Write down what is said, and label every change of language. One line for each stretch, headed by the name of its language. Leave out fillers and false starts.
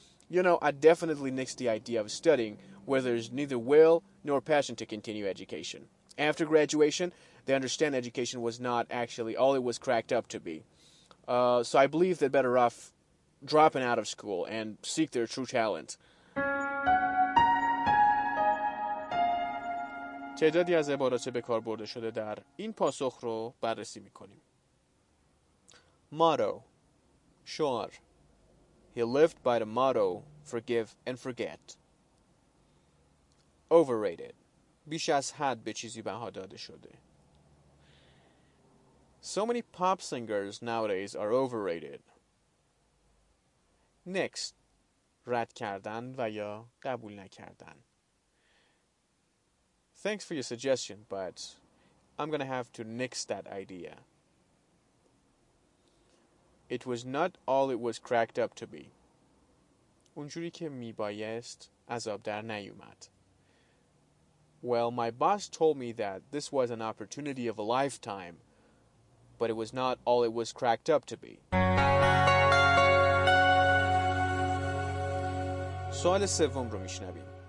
English: You know, I definitely nix the idea of studying where there's neither will nor passion to continue education. After graduation, they understand education was not actually all it was cracked up to be. So I believe they're better off dropping out of school and seek their true talent.
Persian: تعدادی از عبارات به کار برده شده در این پاسخ رو بررسی می‌کنیم.
English: Motto.
Persian: شعار.
English: He lived by the motto, forgive and forget. Overrated.
Persian: بیش از حد به چیزی بها داده شده.
English: So many pop singers nowadays are overrated. Next,
Persian: رد کردن و یا قبول نکردن.
English: Thanks for your suggestion, but I'm gonna have to nix that idea. It was not all it was cracked up to be.
Persian: اونجوری که میبایست عذاب در نیومد.
English: Well, my boss told me that this was an opportunity of a lifetime. But it was not all it was cracked up to be.
Persian: سوال سوم رو میشنویم.